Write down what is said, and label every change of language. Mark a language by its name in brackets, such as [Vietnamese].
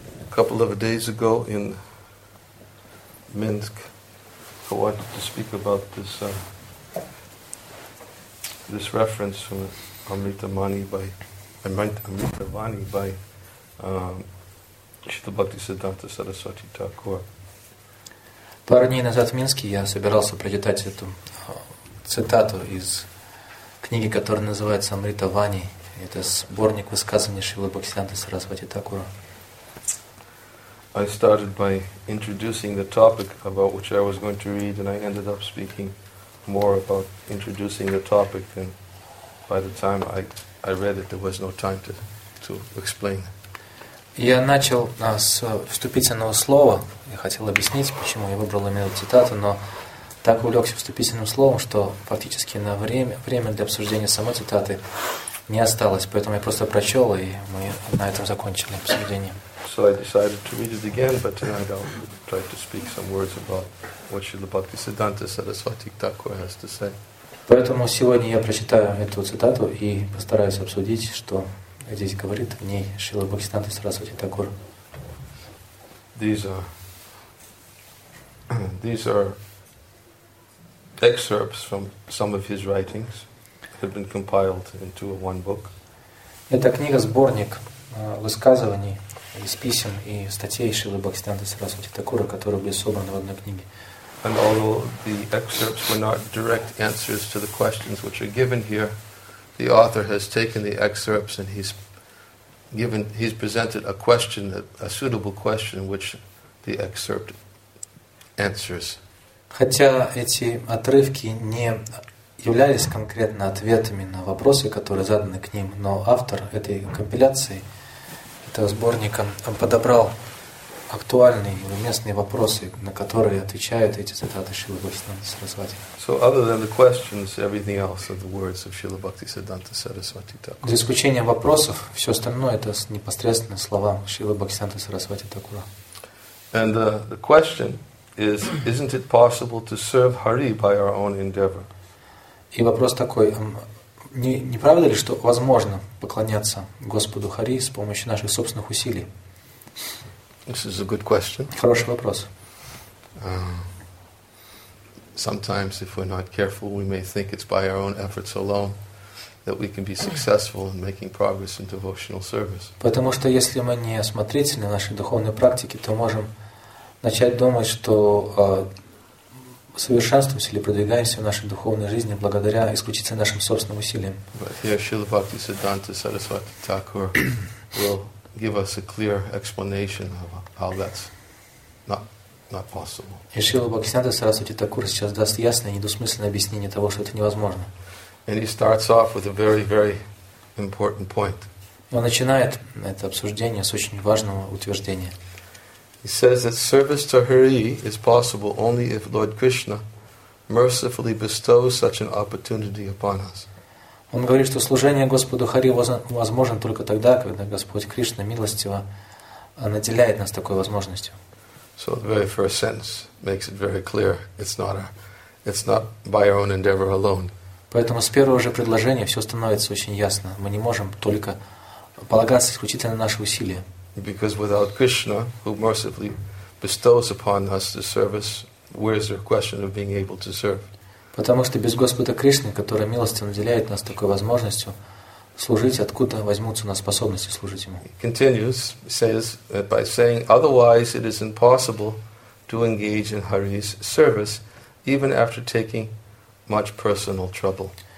[English] Couple of days ago in Minsk, I wanted to speak about this this reference from Amritavani by Śrīla Bhaktisiddhānta Sarasvati Thakura. [Russian] Пару дней назад в Минске я собирался прочитать эту цитату из книги, которая называется Амритавани. Это сборник высказываний Шрилы Бхактисиддханты Сарасвати Такура. [English] I started by introducing the topic about which I was going to read, and I ended up speaking more about introducing the topic. And by the time I read it, there was no time to explain. [Russian] Я начал с вступительного слова. Я хотел объяснить, почему я выбрал именно цитату, но так увлекся вступительным словом, что фактически на время для обсуждения самой цитаты не осталось. Поэтому я просто прочел, и мы на этом закончили обсуждение. [English] So I decided to read it again, but tonight I'll try to speak some words about what Śrīla Bhaktisiddhānta Sarasvati Thakura has to say. [Russian] Поэтому сегодня я прочитаю эту цитату и постараюсь обсудить, что здесь говорит в ней Шрила Бхактисиддханта Сарасвати Такура. [English] These are excerpts from some of his writings that have been compiled into one book. [Russian] Это книга сборник высказываний из писем и статей Шрилы Бхактисиддханты Сарасвати Такура, которые были собраны в одной книге. [English] And although the excerpts were not direct answers to the questions which are given here, the author has taken the excerpts and he's presented a question, a suitable question, which the excerpt answers. [Russian] Хотя эти отрывки не являлись конкретно ответами на вопросы, которые заданы к ним, но автор этой компиляции, этого сборника, подобрал актуальные и уместные вопросы, на которые отвечают эти цитаты Шрилы Бхактисиддханты Сарасвати. [English] So other than the questions, everything else are the words of Śrīla Bhaktisiddhānta Sarasvati Thakura. [Russian] За исключением вопросов, все остальное это непосредственно слова Шрилы Бхактисиддханты Сарасвати Такура. [English] And the question is, isn't it possible to serve Hari by our own endeavor? [Russian] И вопрос такой: не правда ли, что возможно поклоняться Господу Хари с помощью наших собственных усилий? [English] This is a good question. [Russian] Хороший вопрос. [English] Sometimes, if we're not careful, we may think it's by our own efforts alone that we can be successful in making progress in devotional service. [Russian] Потому что если мы не осмотрительны в нашей духовной практике, то можем начать думать, что совершенствуемся или продвигаемся в нашей духовной жизни благодаря исключительно нашим собственным усилиям. [English] But here, Śrīla Bhaktisiddhānta Sarasvati Thakura will give us a clear explanation of how that's not possible. [Russian] И Шрила Бхактисиддханта Сарасвати Такура сейчас даст ясное и недвусмысленное объяснение того, что это невозможно. [English] And he starts off with a very, very important point. [Russian] Он начинает это обсуждение с очень важного утверждения. [English] He says that service to Hari is possible only if Lord Krishna mercifully bestows such an opportunity upon us. [Russian] Он говорит, что служение Господу Хари возможно только тогда, когда Господь Кришна милостиво наделяет нас такой возможностью. [English] So the very first sentence makes it very clear: it's not by our own endeavor alone. [Russian] Поэтому с первого же предложения все становится очень ясно. Мы не можем только полагаться исключительно на наши усилия. [English] Because without Krishna, who mercifully bestows upon us the service, where is the question of being able to serve? [Russian] Потому что без Господа Кришны, который милостиво наделяет нас такой возможностью служить, откуда возьмутся у нас способности служить Ему? [English] He continues, says, by saying, otherwise it is impossible to engage in Hari's service, even after taking much personal trouble.